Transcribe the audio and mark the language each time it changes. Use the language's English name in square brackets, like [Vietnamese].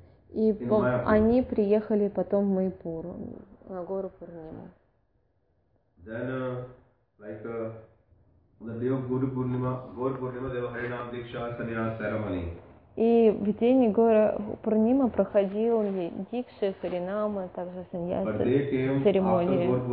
[Russian] И они приехали потом в Майпур, на гору Пурнима. [English] Then, like on the day of Guru Purnima, Guru Purnima, there was Harinam Diksha Sannyas ceremony. [Russian] И в день Гуру Пурнима проходил Дикши, Харинама, также Сандьяс церемонии.